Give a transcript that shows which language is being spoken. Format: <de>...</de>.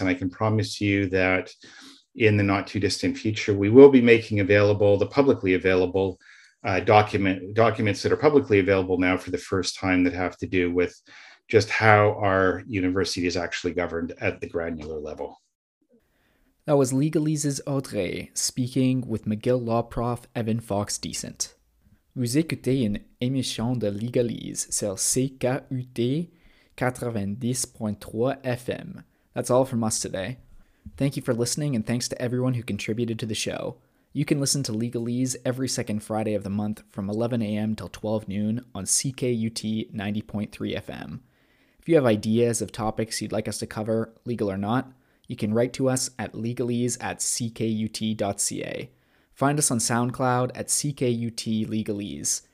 <en>And I can promise you that in the not too distant future, we will be making available the publicly available documents that are publicly available now for the first time, that have to do with just how our university is actually governed at the granular level. That was Legalese's Audrey speaking with McGill Law Prof Evan Fox Decent.</en> <fr>Vous écoutez une émission de Legalese sur CKUT 90.3 FM.</fr> <en>That's all from us today. Thank you for listening, and thanks to everyone who contributed to the show. You can listen to Legalese every second Friday of the month from 11 a.m. till 12 noon on CKUT 90.3 FM. If you have ideas of topics you'd like us to cover, legal or not, you can write to us at legalese@ckut.ca. Find us on SoundCloud at CKUT Legalese,</en>